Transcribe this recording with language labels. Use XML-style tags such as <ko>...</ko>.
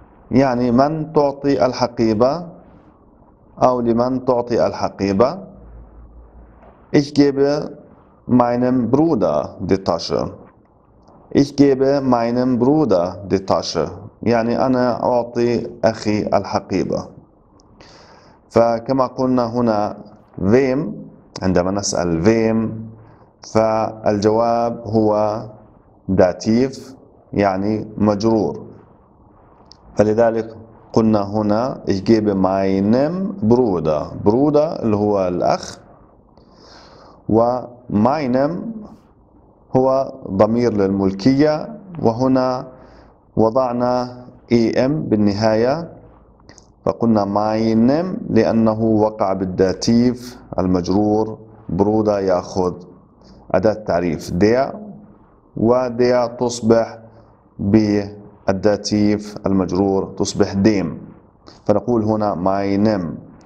<ar>يعني من تعطي الحقيبة أو لمن تعطي الحقيبة</ar> <de>ich gebe meinem Bruder die Tasche</de> <ar>ich gebe meinem Bruder die Tasche يعني أنا أعطي أخي الحقيبة. فكما قلنا هنا ويم عندما نسأل ويم فالجواب هو داتيف يعني مجرور. فلذلك قلنا هنا</ar> <de>ich gebe meinem Bruder.</de> <ar>Bruder اللي هو الأخ و meinem هو ضمير للملكية وهنا وضعنا إم بالنهاية فقلنا ماينم لأنه وقع بالداتيف المجرور برودا يأخذ أداة تعريف ديا وديا تصبح بالداتيف المجرور تصبح ديم فنقول هنا ماينم</ar>